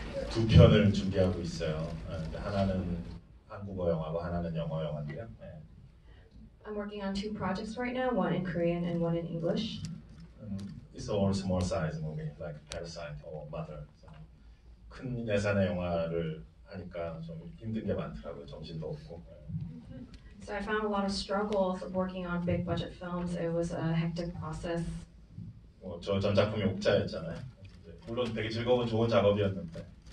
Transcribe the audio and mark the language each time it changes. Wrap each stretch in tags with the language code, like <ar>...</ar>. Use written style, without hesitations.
<ko>두 편을 준비하고 있어요. 하나는 한국어 영화고 하나는 영어 영화인데요. 네.</ko> <en>I'm working on two projects right now, one in Korean and one in English. It's all small size movie, like Parasite or Mother.</en> <ko>So, 큰 예산의 영화를 하니까 좀 힘든 게 많더라고요. 정신도 없고.</ko> <en>So I found a lot of struggles working on big budget films. It was a hectic process.</en> <ko>저 전 작품이 옥자였잖아요. 물론 되게 즐거운 좋은 작업이었는데.</ko>